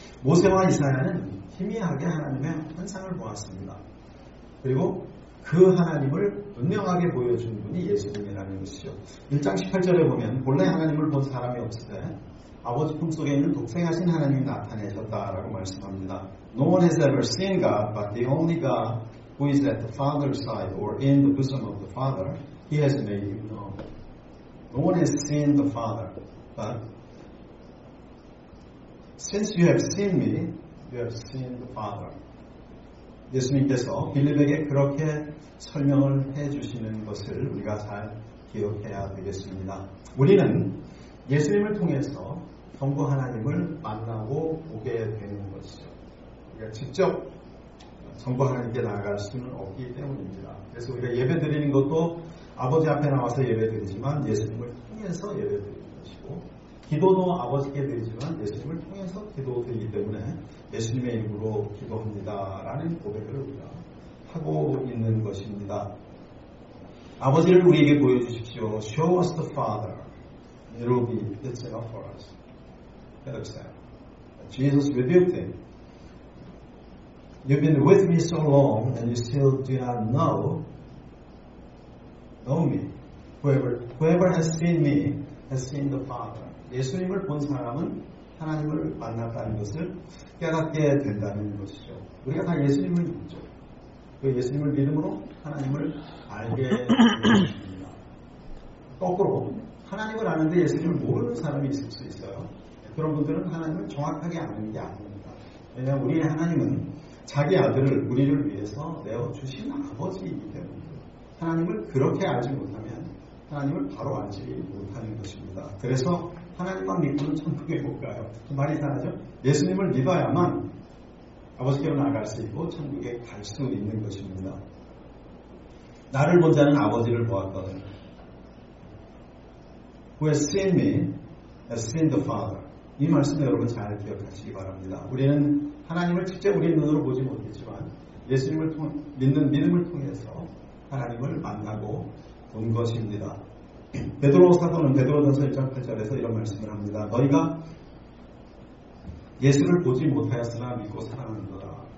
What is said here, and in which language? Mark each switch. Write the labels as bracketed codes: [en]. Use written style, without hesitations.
[ko] 모세와 이사야는 희미하게 하나님의 환상을 보았습니다. 그리고 그 하나님을 분명하게 보여준 분이 예수님이라는 것이죠. 1장 18절에 보면 본래 하나님을 본 사람이 없을 때 아버지 품속에 있는 독생하신 하나님이 나타내셨다라고 말씀합니다. [en] No one has ever seen God, but the only God who is at the Father's side or in the bosom of the Father, He has made Him known. No one has seen the Father, but since you have seen me, you have seen the Father. [ko] 예수님께서 빌립에게 그렇게 설명을 해주시는 것을 우리가 잘 기억해야 되겠습니다. 우리는 예수님을 통해서 성부 하나님을 만나고 보게 되는 것이죠. 우리가 직접 성부 하나님께 나아갈 수는 없기 때문입니다. 그래서 우리가 예배 드리는 것도 아버지 앞에 나와서 예배 드리지만 예수님을 통해서 예배 드리는 것이고 기도도 아버지께 드리지만 예수님을 통해서 기도 드리기 때문에 예수님의 이름으로 기도합니다. 라는 고백을 우리가 하고 있는 것입니다. 아버지를 우리에게 보여주십시오. [en] Show us the Father. It will be the same for us. Philip said, Jesus rebuked him. You've been with me so long and you still do not know me. Whoever has seen me has seen the Father. [ko] 예수님을 본 사람은 하나님을 만났다는 것을 깨닫게 된다는 것이죠. 우리가 다 예수님을 믿죠. 그 예수님을 믿음으로 하나님을 알게 됩니다. 거꾸로 하나님을 아는데 예수님을 모르는 사람이 있을 수 있어요. 그런 분들은 하나님을 정확하게 아는 게 아닙니다. 왜냐하면 우리의 하나님은 자기 아들을 우리를 위해서 내어주신 아버지이기 때문에 하나님을 그렇게 알지 못하면 하나님을 바로 알지 못하는 것입니다. 그래서 하나님만 믿고는 천국에 못 가요. 그 말이 이상하죠? 예수님을 믿어야만 아버지께로 나아갈 수 있고 천국에 갈 수 있는 것입니다. 나를 본 자는 아버지를 보았거든. [en] Who has seen me has seen the Father. [ko] 이 말씀을 여러분 잘 기억하시기 바랍니다. 우리는 하나님을 직접 우리 눈으로 보지 못했지만 예수님을 믿음을 통해서 하나님을 만나고 본 것입니다. 베드로 사도는 베드로전서 1장 8절에서 이런 말씀을 합니다. 너희가 예수를 보지 못하였으나 믿고 사랑하는도다.